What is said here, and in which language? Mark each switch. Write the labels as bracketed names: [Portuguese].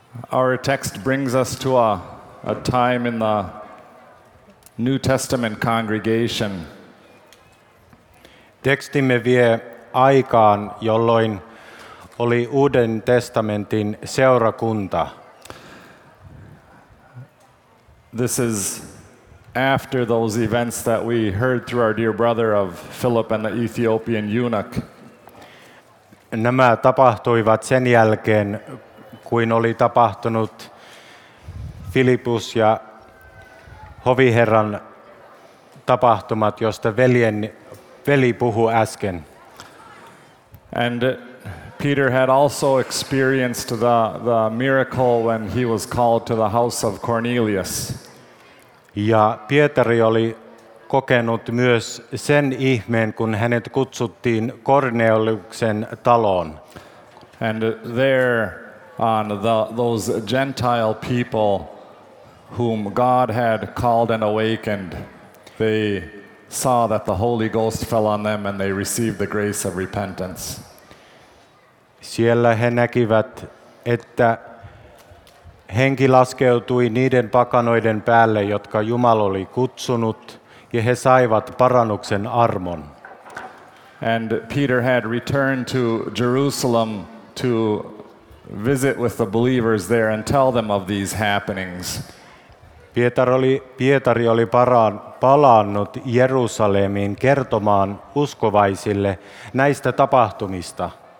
[English] Our text brings us to a time in the New Testament congregation. [Finnish] Tekstimme vie aikaan, jolloin oli Uuden testamentin seurakunta. [English] This is after those events that we heard through our dear brother of Philip and the Ethiopian eunuch. [Finnish] Nämä tapahtuivat sen jälkeen, kuin oli tapahtunut Filippus ja hoviherran tapahtumat, josta veli puhui äsken. [English] And Peter had also experienced the miracle when he was called to the house of Cornelius. [Finnish] Ja Pietari oli kokenut myös sen ihmeen, kun hänet kutsuttiin Korneliuksen taloon. [English] And there on those Gentile people whom God had called and awakened, they saw that the Holy Ghost fell on them and they received the grace of repentance. [Finnish] Siellä he näkivät, että henki laskeutui niiden pakanoiden päälle, jotka Jumala oli kutsunut, ja he saivat parannuksen armon. [English] And Peter had returned to Jerusalem to visit with the believers there and tell them of these happenings. [Finnish] Pietari oli palannut Jerusalemiin kertomaan uskovaisille näistä tapahtumista.